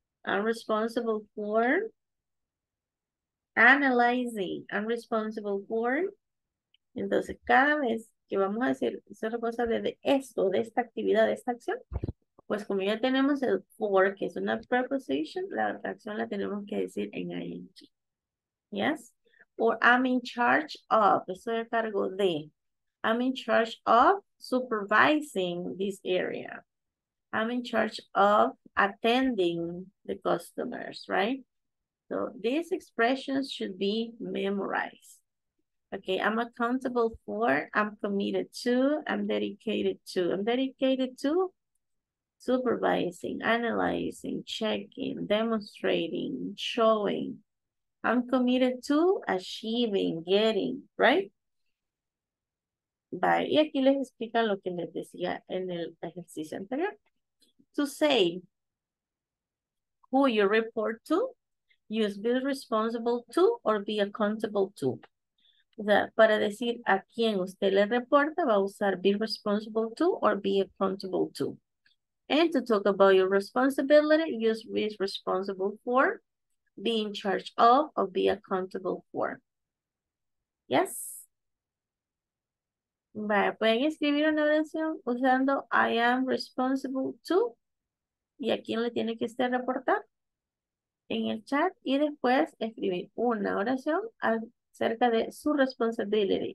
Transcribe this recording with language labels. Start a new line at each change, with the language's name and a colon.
English: I'm responsible for analyzing. I'm responsible for.
Spanish: Entonces, cada vez que vamos a decir, soy responsable de esto, de esta actividad, de esta acción, pues como ya tenemos el for, que es una preposition, la acción la tenemos que decir en ing.
English: Yes, or I'm in charge of,
Spanish: estoy a cargo de,
English: I'm in charge of supervising this area, I'm in charge of attending the customers, right? So these expressions should be memorized. Okay, I'm accountable for, I'm committed to, I'm dedicated to. I'm dedicated to supervising, analyzing, checking, demonstrating, showing. I'm committed to achieving, getting, right?
Spanish: Bye. Y aquí les explican lo que les decía en el ejercicio anterior.
English: To say who you report to, use be responsible to or be accountable to.
Spanish: Para decir a quién usted le reporta, va a usar
English: be responsible to or be accountable to. And to talk about your responsibility, use be responsible for, be in charge of, or be accountable for. Yes?
Spanish: Vale, pueden escribir una oración usando
English: I am responsible to.
Spanish: ¿Y a quién le tiene que estar reportar? En el chat. Y después escribir una oración acerca de su responsibility.